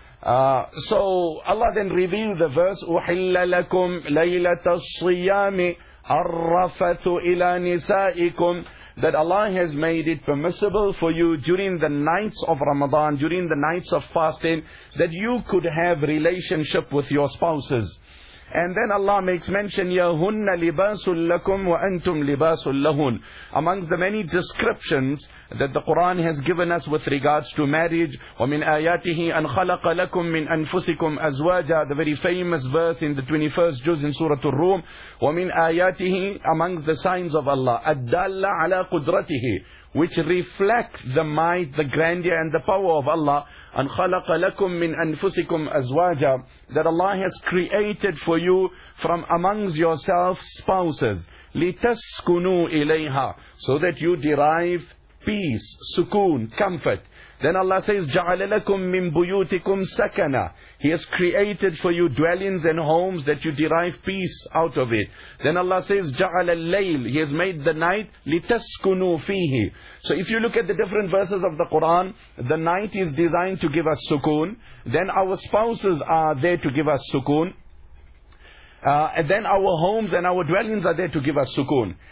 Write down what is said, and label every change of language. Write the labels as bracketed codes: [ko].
[en] So Allah then revealed the verse, [ar] أُحِلَّ لَكُمْ لَيْلَةَ الصِّيَامِ أَرَّفَثُ إِلَى نِسَائِكُمْ, [en] that Allah has made it permissible for you during the nights of Ramadan, during the nights of fasting, that you could have relationship with your spouses. And then Allah makes mention, [ar] يَهُنَّ لِبَاسٌ لَكُمْ وَأَنْتُمْ لِبَاسٌ لَهُنْ. [en] Amongst the many descriptions that the Quran has given us with regards to marriage, [ar] وَمِنْ آيَاتِهِ أَنْ خَلَقَ لَكُمْ مِنْ أَنْفُسِكُمْ أَزْوَاجًا, [en] the very famous verse in the 21st juz in Surah Ar-Rum, [ar] وَمِنْ آيَاتِهِ, [en] amongst the signs of Allah, [ar] أَدَّلَّ عَلَىٰ قُدْرَتِهِ, [en] which reflect the might, the grandeur and the power of Allah, and [ar] خَلَقَ لَكُم مِّنْ أَنفُسِكُمْ أَزْوَاجًا, [en] that Allah has created for you from amongst yourself spouses, [ar] لِتَسْكُنُوا إِلَيْهَا, [en] so that you derive peace, sukoon, comfort. Then Allah says, [ar] جَعَلَ لَكُم مِّن بُيُوتِكُمْ سَكَنًا. [en] He has created for you dwellings and homes that you derive peace out of it. Then Allah says, [ar] جَعَلَ اللَّيْلِ. [en] He has made the night [ar] لِتَسْكُنُوا فِيهِ. [en] So if you look at the different verses of the Quran, the night is designed to give us sukoon. Then our spouses are there to give us sukoon. And then our homes and our dwellings are there to give us sukoon.